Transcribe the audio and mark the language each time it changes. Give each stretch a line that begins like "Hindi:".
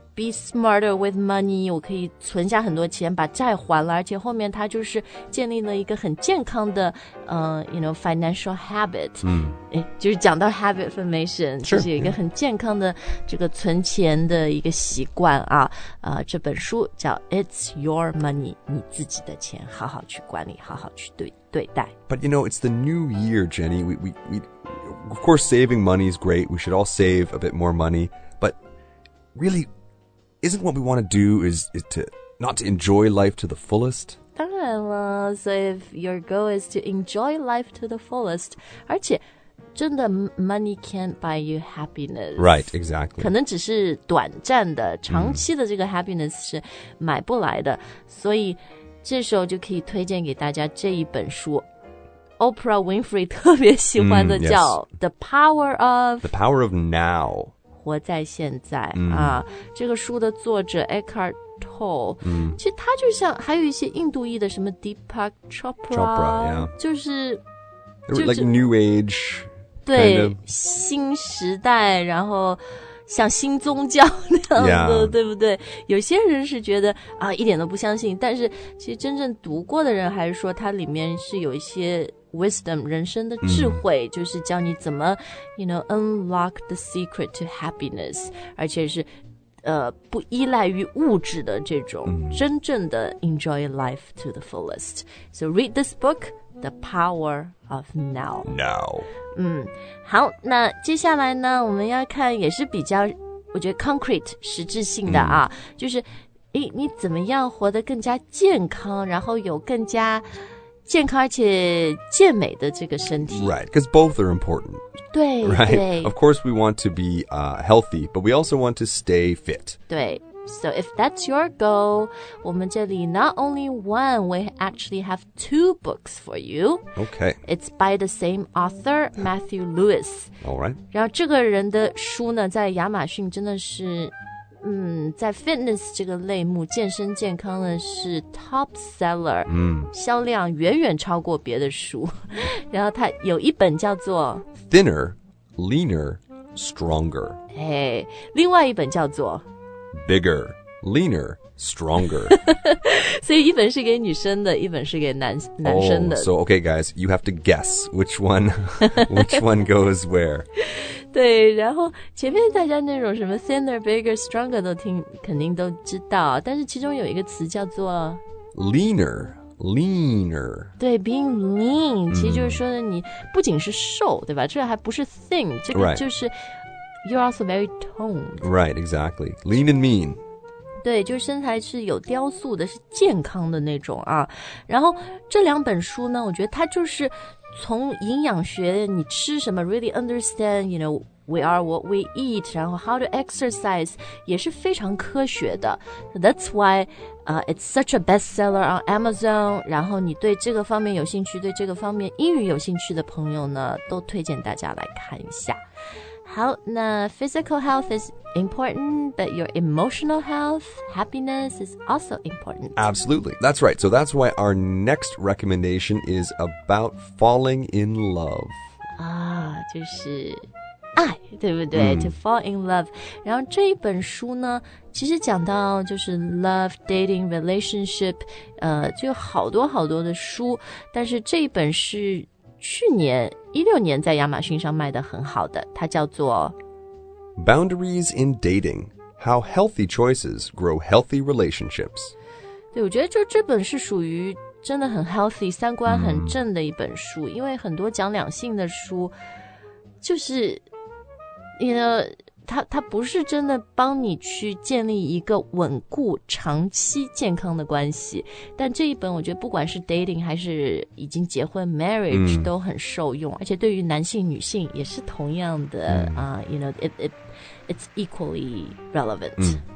English: Be smarter with money,
Chinese: 我可以存下很多钱把债还了而且后面他就是建立了一个很健康的、
English: you know, financial habit,、嗯、
Chinese: 就是讲到
English: habit formation,
Chinese: 就是有一个很健康的这个存钱的一个习惯啊、这本书叫 It's Your Money, 你自己的钱好好去管理好好去 对待。
English: But you know, it's the new year, Jenny. We, of course, saving money is great. We should all save a bit more money. But really,Isn't what we want to do is to not to enjoy life to the fullest?
Chinese: 当然了
English: so if your goal is to enjoy life to the fullest,
Chinese: 而且真的
English: money can't buy you happiness. Right, exactly.
Chinese: 可能只是短暂的长期的这个 happiness 是买不来的、mm. 所以这时候就可以推荐给大家这一本书 Oprah Winfrey 特别喜欢的叫
English: yes. The Power of... The Power of Now.
Chinese: 活在现在、嗯、啊，这个书的作者 Eckhart Tolle、嗯、其实他就像还有一些印度裔的什么 Deepak
English: Chopra、yeah.
Chinese: 就是
English: like new age
Chinese: 对
English: kind of.
Chinese: 新时代然后像新宗教那样的、
English: yeah.
Chinese: 对不对有些人是觉得啊一点都不相信但是其实真正读过的人还是说它里面是有一些Wisdom, 人生的智慧、mm. 就是教你怎么
English: you know, unlock the secret to happiness,
Chinese: 而且是、不依赖于物质的这种、mm. 真正的
English: enjoy life to the fullest. So read this book, The Power of Now. Now.、
Chinese: 嗯、好那接下来呢我们要看也是比较我觉得 concrete, 实质性的啊、mm. 就是诶你怎么样活得更加健康然后有更加健康而且健美的这个身体
English: Right, because both are important
Chinese: 对
English: Right,
Chinese: 对
English: of course we want to be、healthy But we also want to stay fit
Chinese: 对
English: So if that's your goal
Chinese: 我们这里
English: not only one We actually have two books for you Okay It's by the same author, Matthew Lewis Alright
Chinese: 然后这个人的书呢在亚马逊真的是在 fitness 这个类目健身健康呢是 top seller、 mm. 销量远远超过别的书然后他有一本叫做
English: Thinner, Leaner, Stronger、
Chinese: 哎、另外一本叫做
English: Bigger, Leaner, Stronger
Chinese: 所以一本是给女生的一本是给 男生的、
English: oh, So okay guys, you have to guess which one, which one goes where
Chinese: 对然后前面大家那种什么 thinner, bigger, stronger 都听肯定都知道但是其中有一个词叫做
English: leaner
Chinese: 对
English: being lean、mm.
Chinese: 其实就是说的你不仅是瘦对吧这还不是 thin 这个就是、
English: right. you're also very toned right exactly lean and mean
Chinese: 对就是身材是有雕塑的是健康的那种啊然后这两本书呢我觉得它就是从营养学你吃什么
English: really understand you know we are what we eat
Chinese: 然后
English: how to exercise
Chinese: 也是非常科学的
English: that's why、 it's such a bestseller on Amazon
Chinese: 然后你对这个方面有兴趣对这个方面英语有兴趣的朋友呢都推荐大家来看一下好那
English: physical health is important but your emotional health happiness is also important absolutely that's right so that's why our next recommendation is about falling in love
Chinese: 啊就是爱对不对、mm.
English: to fall in love
Chinese: 然后这一本书呢其实讲到就是
English: love dating relationship
Chinese: 就有好多好多的书但是这一本是去年16年在亚马逊上卖得很好的它叫做
English: Boundaries in Dating How Healthy Choices Grow Healthy Relationships
Chinese: 对我觉得就这本是属于真的很 healthy 三观很正的一本书、mm. 因为很多讲两性的书就是 you know 它不是真的帮你去建立一个稳固长期健康的关系，但这一本我觉得不管是 dating 还是已经结婚 marriage 都很受用，而且对于男性女性也是同样的
English: you know, it's equally relevant.